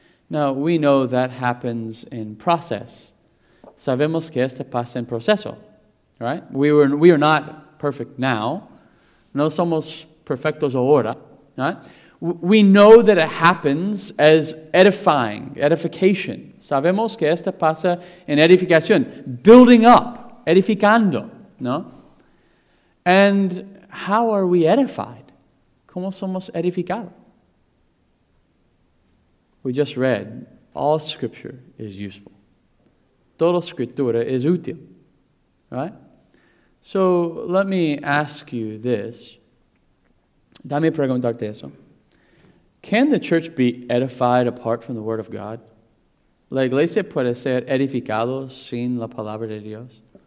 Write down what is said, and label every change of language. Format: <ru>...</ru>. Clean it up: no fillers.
<en>Now, we know that happens in process.</en> <es>Sabemos que este pasa en proceso, right?</es> <en>We are not perfect now.</en> <es>No somos perfectos ahora,</es> <en>right? We know that it happens as edifying, edification.</en> <es>Sabemos que esto pasa en edificación,</es> <en>building up,</en> <es>edificando, ¿no?</es> <en>And how are we edified?</en> <es>¿Cómo somos edificados?</es> <en>We just read, all scripture is useful.</en> <es>Toda escritura es útil,</es> <en>right? So let me ask you this.</en> <es>Dame preguntarte eso.</es> <en>Can the church be edified apart from the word of God?</en> <es>¿La iglesia puede ser edificado sin la palabra de Dios?</es>